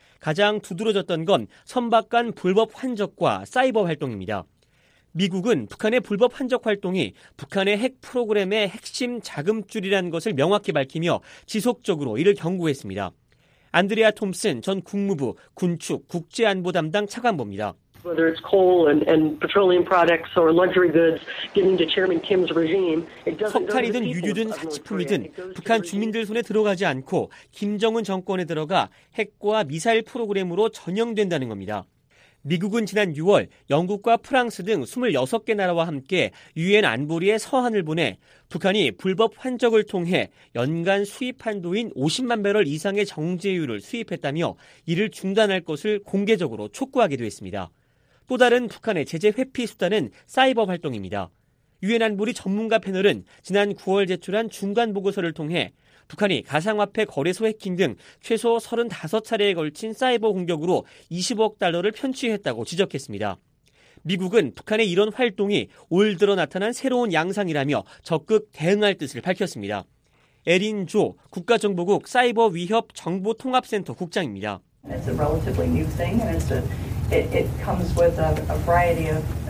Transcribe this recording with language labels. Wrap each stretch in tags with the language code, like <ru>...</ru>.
<ko>가장 두드러졌던 건 선박 간 불법 환적과 사이버 활동입니다. 미국은 북한의 불법 환적 활동이 북한의 핵 프로그램의 핵심 자금줄이라는 것을 명확히 밝히며 지속적으로 이를 경고했습니다. 안드레아 톰슨 전 국무부 군축 국제안보 담당 차관보입니다.</ko> <en>Whether it's coal and petroleum products or luxury goods given to Chairman Kim's regime, it doesn't.</en> <ko>석탄이든 유류든 사치품이든 북한 주민들 손에 들어가지 않고 김정은 정권에 들어가 핵과 미사일 프로그램으로 전염된다는 겁니다. 미국은 지난 6월 영국과 프랑스 등 26개 나라와 함께 유엔 안보리에 서한을 보내 북한이 불법 환적을 통해 연간 수입 한도인 50만 배럴 이상의 정제유를 수입했다며 이를 중단할 것을 공개적으로 촉구하기도 했습니다. 또 다른 북한의 제재 회피 수단은 사이버 활동입니다. 유엔 안보리 전문가 패널은 지난 9월 제출한 중간 보고서를 통해 북한이 가상화폐 거래소 해킹 등 최소 35차례에 걸친 사이버 공격으로 20억 달러를 편취했다고 지적했습니다. 미국은 북한의 이런 활동이 올 들어 나타난 새로운 양상이라며 적극 대응할 뜻을 밝혔습니다. 에린 조 국가정보국 사이버 위협 정보통합센터 국장입니다.</ko> <en>It's a relatively new thing and it's it comes with a variety of</en>